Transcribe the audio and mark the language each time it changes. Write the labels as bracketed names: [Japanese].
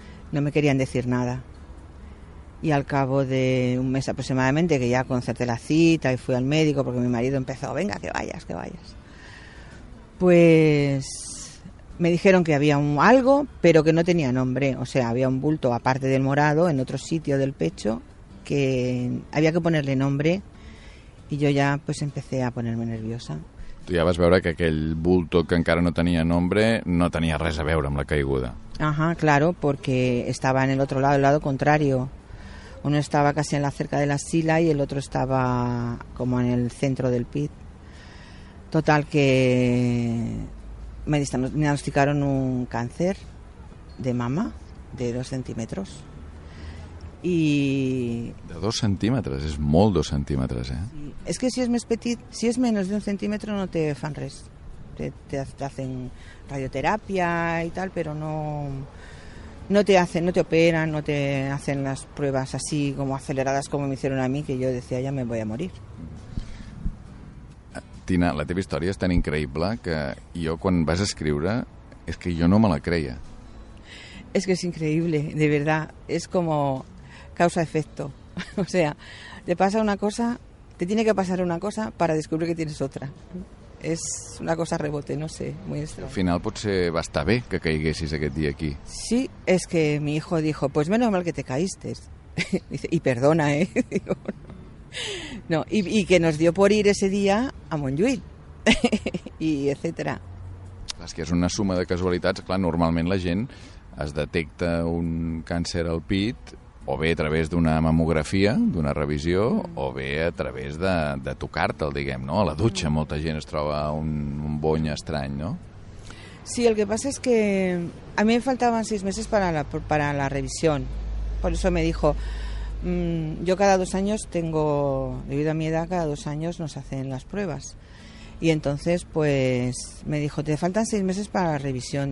[Spanish] No me querían decir nada. Y al cabo de un mes aproximadamente, que ya concerté la cita y fui al médico porque mi marido empezó, venga, que vayas. Pues me dijeron que había algo, pero que no tenía nombre. O sea, había un bulto, aparte del morado, en otro sitio del pecho, que había que ponerle nombre. Y yo ya pues empecé a ponerme nerviosa. [Catalan] Tu ja vas veure que aquell bulto que encara no tenia nombre no tenia res a veure amb la caiguda. [Spanish] Ajá, claro, porque estaba en el otro lado, el lado contrario. Uno estaba casi en la cerca de la axila y el otro estaba como en el centro del pit. Total, que me diagnosticaron un cáncer de mama de 2 centímetros. Y... [Catalan] De 2 centímetres, és molt 2 centímetres, eh? Sí. És que si és més petit, si és menys d'un centímetre no te fan res. [Spanish] Te hacen radioterapia y tal, pero no te operan, no te hacen las pruebas así como aceleradas como me hicieron a mí, que yo decía ya me voy a morir. [Catalan] Tina, la teva història és tan increïble que jo quan vas escriure és que jo no me la creia. [Spanish] Es que es increíble, de verdad, es como causa-efecto, o sea, te pasa una cosa, te tiene que pasar una cosa para descubrir que tienes otra. [Catalan] És una cosa rebote, [Spanish] no sé, muy extraño. [Catalan] Al final potser va estar bé que caiguessis aquest dia aquí. [Spanish] Sí, es que mi hijo dijo, pues menos mal que te caíste. Dice, y perdona, ¿eh? Digo, no. No, y que nos dio por ir ese día a Montjuïc, y etcétera. [Catalan] És que és una suma de casualitats. Clar, normalment la gent es detecta un càncer al pit o bé a través d'una mamografia, d'una revisió, o bé a través de tocar-te'l, diguem, no? A la dutxa molta gent es troba un bony estrany, no? [Spanish] Sí, el que pasa es que a mí me faltaban 6 meses para la revisión. Por eso me dijo, yo cada 2 años tengo, debido a mi edad, cada 2 años nos hacen las pruebas. Y entonces, pues, me dijo, te faltan 6 meses para la revisión.